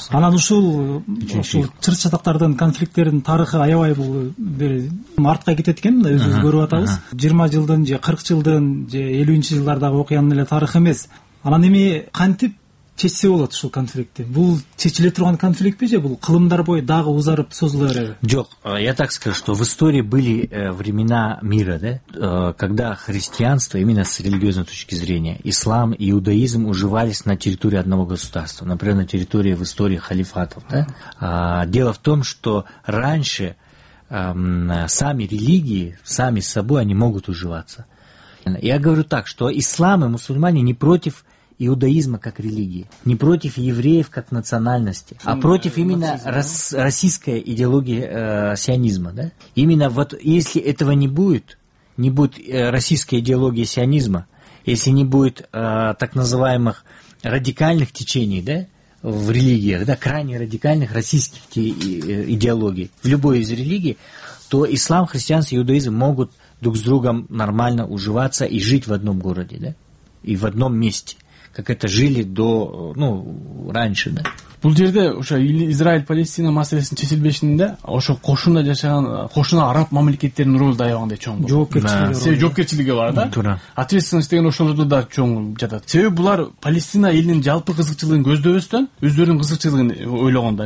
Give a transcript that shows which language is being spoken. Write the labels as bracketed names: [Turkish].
[Kyrgyz] Анан ушул чыр чатактардын конфликттердин тарыхы аябай бул бир артка кетет экен да, өзүбүз көрүп атабыз. 20 жылдын же 40 жылдын же 50-жылдардагы окуянын эле тарыхы эмес. Анан эми кантип чечсе болот ушул конфликтти? Бул чечиле турган конфликтпи же бул кылымдар бою дагы узарып созула береби? Жок, [Russian] я так скажу, что в истории были времена мира, да, когда христианство, именно с религиозной точки зрения, ислам и иудаизм уживались на территории одного государства, например, на территории в истории халифатов. Да? Дело в том, что раньше сами религии, сами с собой, они могут уживаться. Я говорю так, что ислам и мусульмане не против иудаизма как религии, не против евреев как национальности, а против именно российской идеологии сионизма. Да? Именно вот если этого не будет, не будет российской идеологии сионизма, если не будет так называемых радикальных течений, да, в религиях, да, крайне радикальных российских идеологий в любой из религий, то ислам, христианство, иудаизм могут друг с другом нормально уживаться и жить в одном городе, да, и в одном месте, как это жили до, ну, раньше, да. [Kyrgyz] Бул жерде ошо Израиль-Палестина маселесин чечилбешинде ошо кошуна жашаган кошуна араб мамлекеттеринин ролу да аябагындай чоң болот. Жоопкерчилиги. Себеби жоопкерчилиги бар да. Туура. Ответственность деген ошолорду да чоң жатат. Себеби булар Палестина элинин жалпы кызыкчылыгын көздөбөстөн өздөрүнүн кызыкчылыгын ойлогондо.